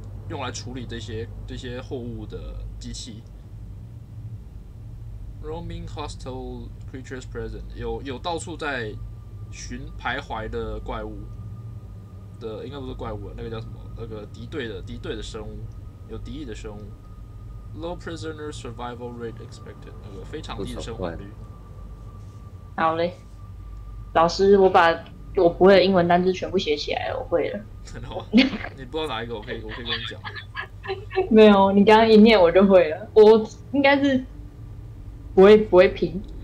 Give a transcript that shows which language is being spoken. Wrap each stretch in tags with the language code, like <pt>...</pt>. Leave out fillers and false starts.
<zh>用来处理这些货物的机器。</zh> <en>Roaming hostile creatures present，</en> <zh>有到处在寻徘徊的怪物的，应该不是怪物，那个叫什么？那个敌对的生物，有敌意的生物。</zh> <en>Low prisoner survival rate expected，</en> <zh>那个非常低的生活率。好嘞，老师，我不会的英文单字全部写起来，我会了。你不知道哪一个，我可以跟你讲。没有，你刚刚一念我就会了。我应该是不会拼。</zh>